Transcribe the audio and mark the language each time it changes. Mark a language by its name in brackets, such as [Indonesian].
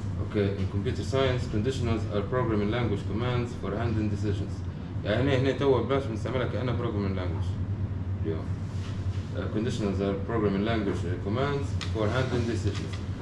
[English] Okay, in computer science, conditionals are programming language commands for handling decisions. [Arabic] يعني هنا توا بلاش بنستعملها كأنها [English] programming language. [Arabic] اليوم. [English] Conditionals are programming language commands for handling decisions.